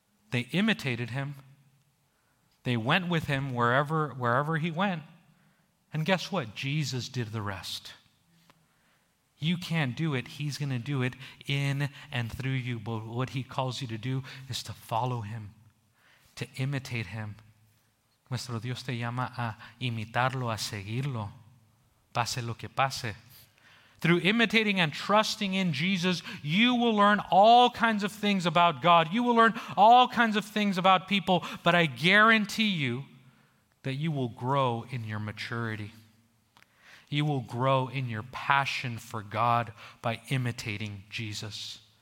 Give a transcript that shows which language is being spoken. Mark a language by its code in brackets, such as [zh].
[en] They imitated him. They went with him wherever he went. And guess what? Jesus did the rest. You can't do it. He's going to do it in and through you. But what he calls you to do is to follow him, to imitate him. [es] Nuestro Dios te llama a imitarlo, a seguirlo, pase lo que pase. [en] Through imitating and trusting in Jesus, you will learn all kinds of things about God. You will learn all kinds of things about people. But I guarantee you that you will grow in your maturity. You will grow in your passion for God by imitating Jesus.